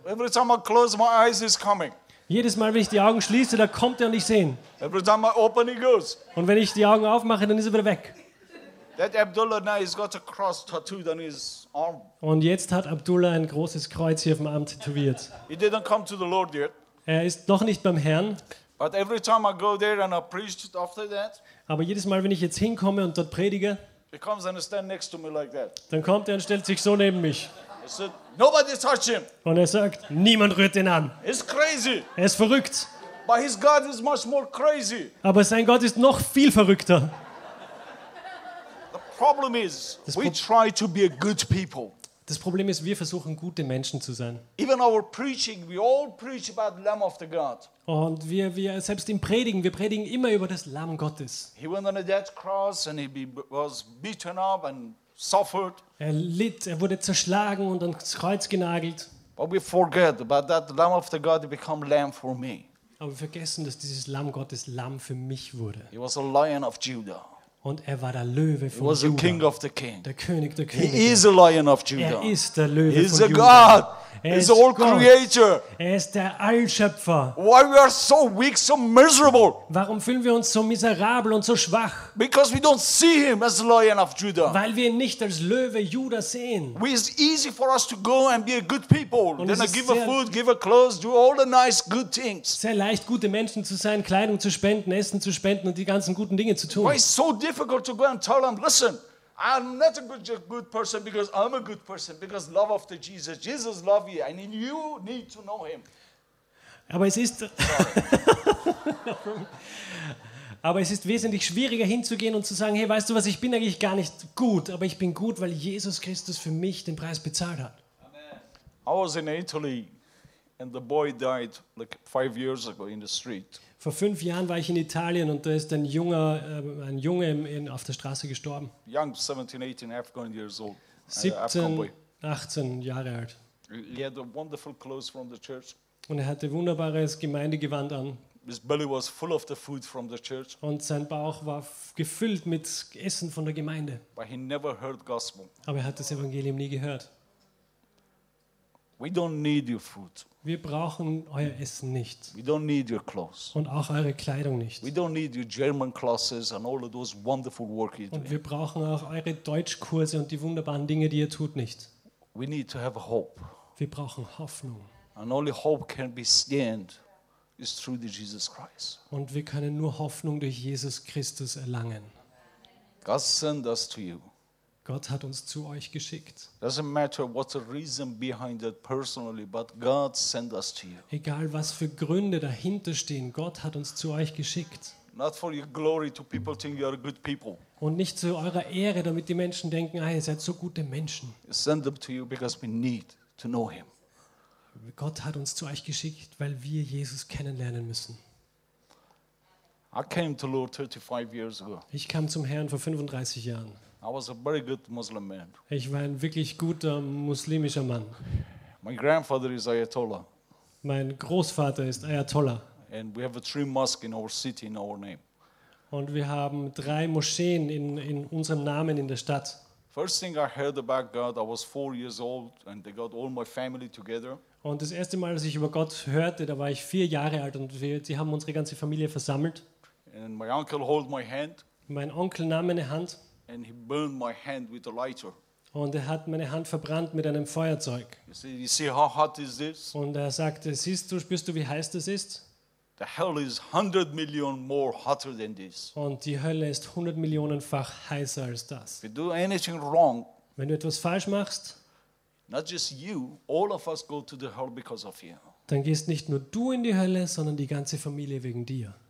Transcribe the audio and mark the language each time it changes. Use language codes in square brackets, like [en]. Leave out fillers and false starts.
[en] Every time I close my eyes, he's coming. [de] Jedes Mal, wenn ich die Augen schließe, da kommt er und ich sehe ihn. [en] Every time I open, he goes. [de] Und wenn ich die Augen aufmache, dann ist er wieder weg. [en] That Abdullah now has got a cross tattooed on his arm. [de] Und jetzt hat Abdullah ein großes Kreuz hier auf dem Arm tätowiert. [en] He didn't come to the Lord yet. [de] Er ist noch nicht beim Herrn. [en] But every time I go there and I preach after that, [de] aber jedes Mal, wenn ich jetzt hinkomme und dort predige, [en] he comes and stands next to me like that. [de] Dann kommt er und stellt sich so neben mich. [en] I said, nobody touch him. [de] Und er sagt, niemand rührt ihn an. [en] It's crazy. [de] Er ist verrückt. [en] But his God is much more crazy. [de] Aber sein Gott ist noch viel verrückter. [en] The problem is, we try to be a good people. [de] Das Problem ist, wir versuchen gute Menschen zu sein. [en] Even our preaching, we all preach about the Lamb of the God. [de] Und wir selbst im Predigen, wir predigen immer über das Lamm Gottes. [en] He went on a dead cross and he was beaten up and suffered. [de] Er litt, er wurde zerschlagen und ans Kreuz genagelt. [en] But we forget about that Lamb of the God become Lamb for me. [de] Aber wir vergessen, dass dieses Lamm Gottes Lamm für mich wurde. [en] He was a Lion of Judah. [de] Und er war der Löwe von Juda. [en] He was the king of the king. [de] Der König der Könige. [en] He is the lion of Judah. [de] Er ist der Löwe von Juda. [en] He is a God. He's all creator. [de] Er ist der Allschöpfer. [en] Why we are so weak, so miserable? [de] Warum fühlen wir uns so miserabel und so schwach? [en] Because we don't see him as the lion of Judah. [de] Weil wir ihn nicht als Löwe Judah sehen. [en] It is easy for us to go and be a good people, und then give a food, give a clothes, do all the nice good things. [de] Sehr leicht, gute Menschen zu sein, Kleidung zu spenden, Essen zu spenden und die ganzen guten Dinge zu tun. [en] Why is so difficult to go and tell them, listen? I'm not a good person because I'm a good person because love of the Jesus. Jesus love you. I mean, you need to know him. [de] Aber es ist aber es ist wesentlich schwieriger hinzugehen und zu sagen, hey, weißt du was, ich bin eigentlich gar nicht gut, aber ich bin gut, weil Jesus Christus für mich den Preis bezahlt hat. [en] Amen. I was in Italy and the boy died like 5 years ago in the street. [de] Vor 5 Jahren war ich in Italien und da ist ein Junge auf der Straße gestorben. [en] Young, 17, 18, Afghan years old. [de] 17, 18 Jahre alt. [en] He had a wonderful clothes from the church. [de] Und er hatte wunderbares Gemeindegewand an. [en] His belly was full of the food from the church. [de] Und sein Bauch war gefüllt mit Essen von der Gemeinde. [en] But he never heard gospel. [de] Aber er hat das Evangelium nie gehört. [en] We don't need your food. [de] Wir brauchen euer Essen nicht. [en] We don't need your clothes. [de] Und auch eure Kleidung nicht. [en] We don't need your German classes and all of those wonderful work you do. [de] Und wir brauchen auch eure Deutschkurse und die wunderbaren Dinge, die ihr tut, nicht. [en] We need to have hope. [de] Wir brauchen Hoffnung. [en] And only hope can be gained is through Jesus Christ. [de] Und wir können nur Hoffnung durch Jesus Christus erlangen. [en] God send us to you. [de] Gott hat uns zu euch geschickt. [en] Doesn't matter what the reason behind it personally, but God sent us to you. [de] Egal was für Gründe dahinter stehen, Gott hat uns zu euch geschickt. [en] Not for your glory to people think you are good people. [de] Und nicht zu eurer Ehre, damit die Menschen denken, ah, ihr seid so gute Menschen. [en] He sent them to you because we need to know him. [de] Gott hat uns zu euch geschickt, weil wir Jesus kennenlernen müssen. [en] I came to Lord 35 years ago. [de] Ich kam zum Herrn vor 35 Jahren. [en] I was a very good Muslim man. [de] Ich war ein wirklich guter muslimischer Mann. [en] My grandfather is Ayatollah. [de] Mein Großvater ist Ayatollah. [en] And we have a 3 mosques in our city in our name. [de] Und wir haben 3 Moscheen in unserem Namen in der Stadt. [en] First thing I heard about God, I was 4 years old and they got all my family together. [de] Und das erste Mal, als ich über Gott hörte, da war ich 4 Jahre alt und sie haben unsere ganze Familie versammelt. [en] And my uncle held my hand. [de] Mein Onkel nahm meine Hand. [en] And he burned my hand with a lighter. [de] Und er hat meine Hand verbrannt mit einem Feuerzeug. [en] You see how hot is this? [de] Und er sagte, spürst du, wie heiß das ist? [en] The hell is 100 million more hotter than this. [de] Und die Hölle ist 100 Millionenfach heißer als das. [en] If you do anything wrong, [de] wenn du etwas falsch machst, [en] not just you, all of us go to the hell because of you. [de] Dann gehst nicht nur du in die Hölle, sondern die ganze Familie wegen dir.